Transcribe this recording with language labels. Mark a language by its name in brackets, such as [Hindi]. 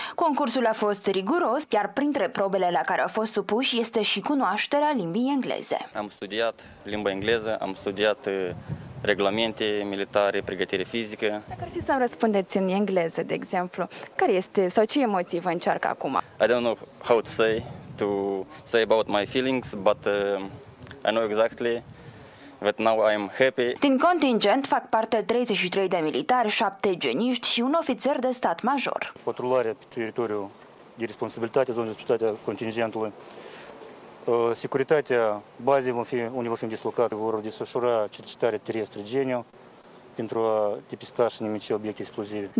[Romanian] Concursul a fost riguros, iar printre probele la care au fost supuși este și cunoașterea limbii engleze. Am studiat limba engleză, am studiat reglemente militare, pregătire fizică. Dacă ar fi să-mi răspundeți în engleză, de exemplu, care este sau ce emoții vă încearcă acum? [English] I don't know how to say about my feelings, but I know exactly. But now I'm happy. [Romanian] Din contingent fac parte 33 de militari, 7 geniști și un ofițer de stat major. Patrularea pe teritoriu de responsabilitate, zona de responsabilitate a contingentului, securitatea bazei unde vom fi dislocate, vor desfășura cercetarea terestră geniu pentru a depista și nimice obiecte explozive.